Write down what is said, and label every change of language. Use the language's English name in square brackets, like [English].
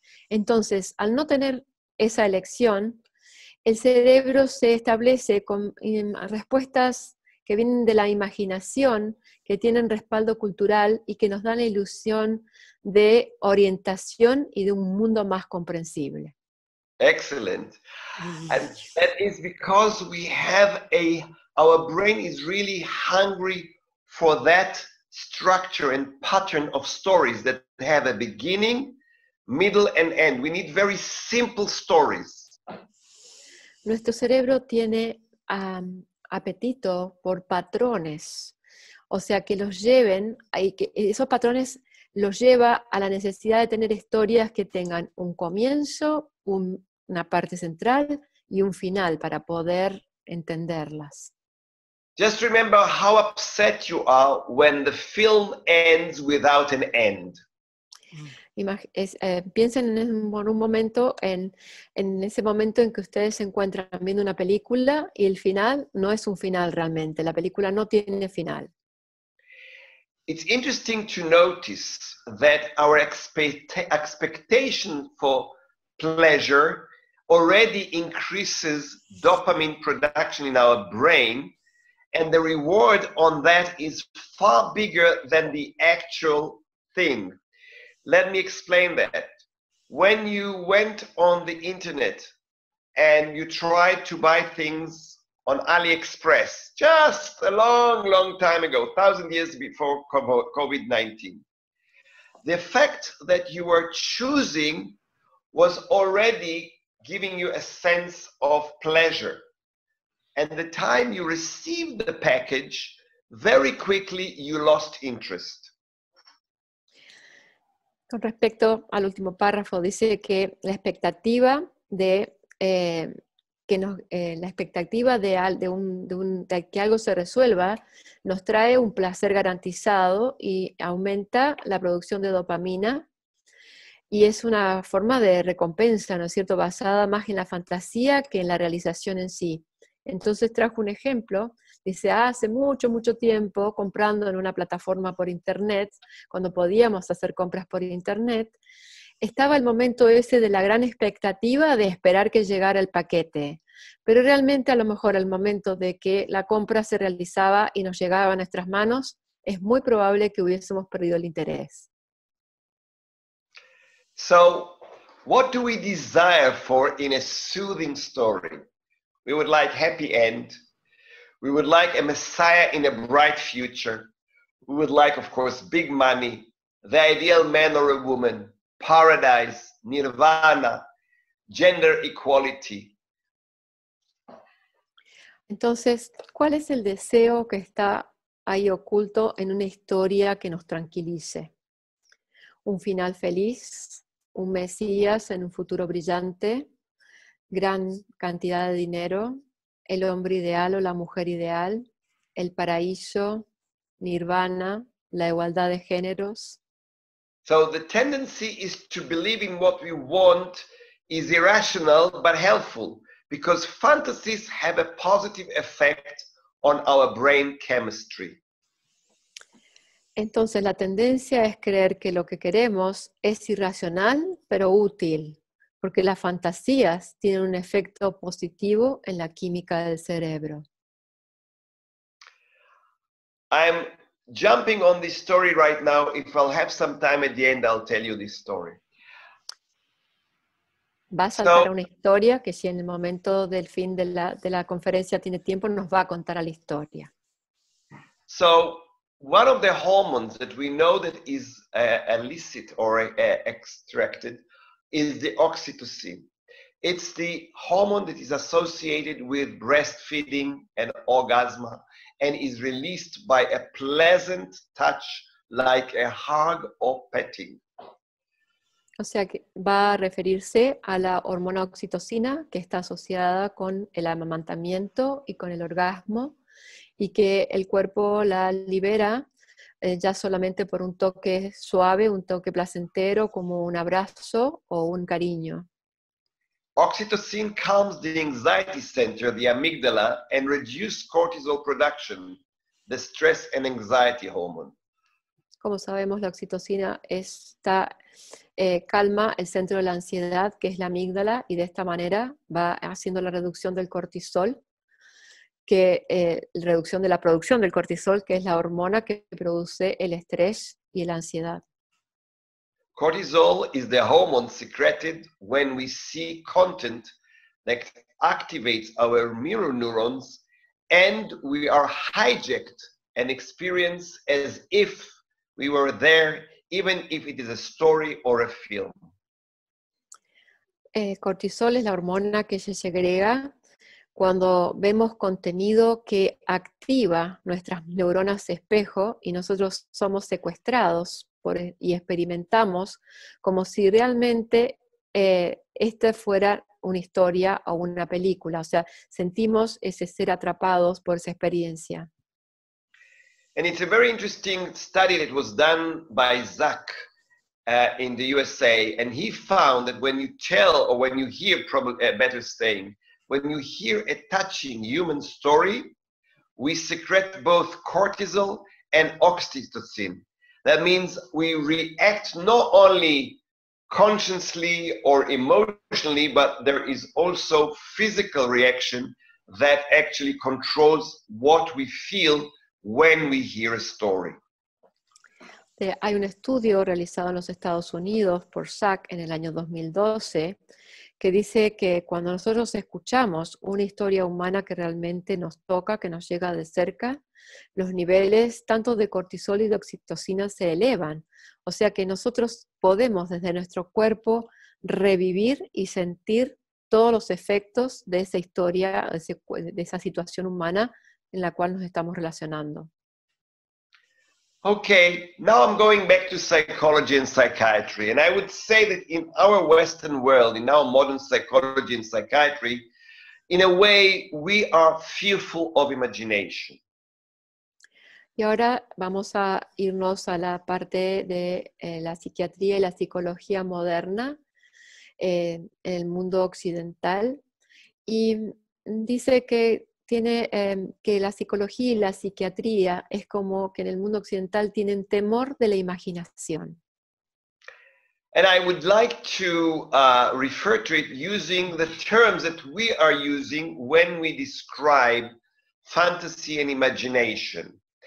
[Spanish] Entonces, al no tener esa elección, el cerebro se establece con respuestas que vienen de la imaginación, que tienen respaldo cultural y que nos dan la ilusión de orientación y de un mundo más comprensible. [English] Excellent. And that is because we have our brain is really hungry for that structure and pattern of stories that have a beginning, middle and end. We need very simple stories. [Spanish] Nuestro cerebro tiene apetito por patrones, o sea que los lleven, y que esos patrones los lleva a la necesidad de tener historias que tengan un comienzo, una parte central y un final para poder entenderlas. [English] Just remember how upset you are when the film ends without an end. [Spanish] Piensen en un momento, en ese momento en que ustedes se encuentran viendo una película y el final no es un final realmente, la película no tiene final. [English] It's interesting to notice that our expectation for pleasure already increases dopamine production in our brain. And the reward on that is far bigger than the actual thing. Let me explain that. When you went on the internet and you tried to buy things on AliExpress, just a long, long time ago, 1,000 years before COVID-19. The fact that you were choosing was already giving you a sense of pleasure. And the time you received the package, very quickly you lost interest. [Spanish] Con respecto al último párrafo, dice que la expectativa de que algo se resuelva nos trae un placer garantizado y aumenta la producción de dopamina. Y es una forma de recompensa, ¿no es cierto?, basada más en la fantasía que en la realización en sí. Entonces trajo un ejemplo, dice, hace mucho, mucho tiempo, comprando en una plataforma por internet, cuando podíamos hacer compras por internet, estaba el momento ese de la gran expectativa de esperar que llegara el paquete. Pero realmente a lo mejor el momento de que la compra se realizaba y nos llegaba a nuestras manos, es muy probable que hubiésemos perdido el interés. [English] So, what do we desire for in a soothing story? We would like happy end. We would like a messiah in a bright future. We would like, of course, big money, the ideal man or a woman, paradise, nirvana, gender equality. [Spanish] Entonces, ¿cuál es el deseo que está ahí oculto en una historia que nos tranquilice? Un final feliz, un mesías en un futuro brillante, gran cantidad de dinero, el hombre ideal o la mujer ideal, el paraíso, nirvana, la igualdad de géneros. [English] So the tendency is to believe in what we want is irrational but helpful, because fantasies have a positive effect on our brain chemistry. [Spanish] Entonces la tendencia es creer que lo que queremos es irracional pero útil, porque las fantasías tienen un efecto positivo en la química del cerebro. [English] I'm jumping on this story right now. If I'll have some time at the end, I'll tell you this story. [Spanish] Va a saltar una historia que si en el momento del fin de la conferencia tiene tiempo, nos va a contar a la historia. [English] So, one of the hormones that we know that is illicit or extracted is the oxytocin. It's the hormone that is associated with breastfeeding and orgasm and is released by a pleasant touch like a hug or petting. [Spanish] O sea, que va a referirse a la hormona oxitocina que está asociada con el amamantamiento y con el orgasmo y que el cuerpo la libera ya solamente por un toque suave, un toque placentero, como un abrazo o un cariño. [English] Oxytocin calms the anxiety center, the amygdala, and reduces cortisol production, the stress and anxiety hormone. [Spanish] Como sabemos, la oxitocina está calma el centro de la ansiedad, que es la amígdala, y de esta manera va haciendo la reducción del cortisol. Que reducción de la producción del cortisol, que es la hormona que produce el estrés y la ansiedad. [English] Cortisol is the hormone secreted when we see content that activates our mirror neurons and we are hijacked and experience as if we were there, even if it is a story or a film. [Spanish] Cortisol es la hormona que se segrega cuando vemos contenido que activa nuestras neuronas espejo y nosotros somos secuestrados y experimentamos como si realmente esta fuera una historia o una película. O sea, sentimos ese ser atrapados por esa experiencia. [English] And it's a very interesting study that was done by Zach in the USA, and he found that when you tell or when you hear, probably better saying, when you hear a touching human story, we secrete both cortisol and oxytocin. That means we react not only consciously or emotionally, but there is also physical reaction that actually controls what we feel when we hear a story. [Spanish] Hay un estudio realizado en los Estados Unidos por Zach en el año 2012 que dice que cuando nosotros escuchamos una historia humana que realmente nos toca, que nos llega de cerca, los niveles tanto de cortisol y de oxitocina se elevan. O sea que nosotros podemos desde nuestro cuerpo revivir y sentir todos los efectos de esa historia, de esa situación humana en la cual nos estamos relacionando. [English] Okay, now I'm going back to psychology and psychiatry, and I would say that in our Western world, in our modern psychology and psychiatry, in a way, we are fearful of imagination. [Spanish] Y ahora vamos a irnos a la parte de la psiquiatría y la psicología moderna en el mundo occidental, y dice que tiene que la psicología y la psiquiatría es como que en el mundo occidental tienen temor de la imaginación. [English] And I would like to refer to it using the terms that we are using when we describe fantasy and imagination.